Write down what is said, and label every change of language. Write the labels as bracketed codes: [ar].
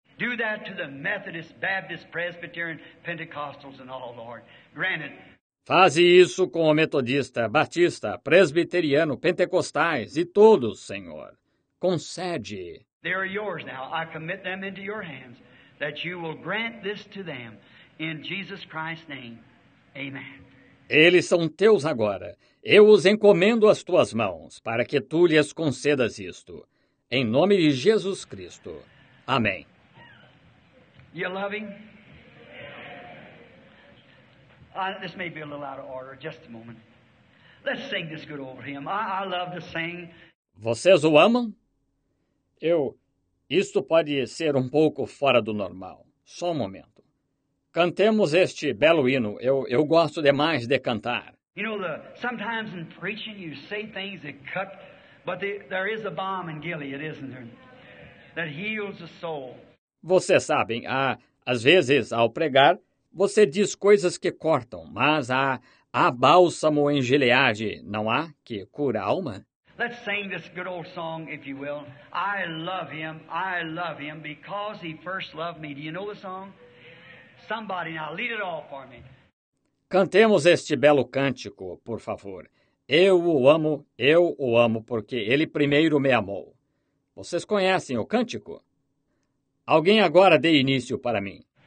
[en] Do that to the Methodist, Baptist, Presbyterian, Pentecostals and all, Lord. Granted. [pt] Faze isso com o metodista, batista, presbiteriano, pentecostais e todos, Senhor. Concede. [en] They are yours now. I commit them into your hands, that you will grant this to them in Jesus Christ's name. Amen. [pt] Eles são teus agora. Eu os encomendo às tuas mãos, para que tu lhes concedas isto. Em nome de Jesus Cristo. Amém. [en] You love him? This may be a little out of order, just a moment. Let's sing this good old hymn. I love to sing. [pt] Vocês o amam? Isto pode ser um pouco fora do normal. Só um momento. Cantemos este belo hino. Eu gosto demais de cantar. [en] You know, sometimes in preaching you say things that cut, but there is a balm in Gilead, isn't there? That heals the soul. [pt] Vocês sabem, às vezes, ao pregar, você diz coisas que cortam, mas há bálsamo em Gilead, não há? Que cura a alma? [en] Let's sing this good old song, if you will. I love him, because he first loved me. Do you know the song? Somebody now, lead it all for me. [pt] Cantemos este belo cântico, por favor. Eu o amo, porque ele primeiro me amou. Vocês conhecem o cântico? Alguém agora dê início para mim.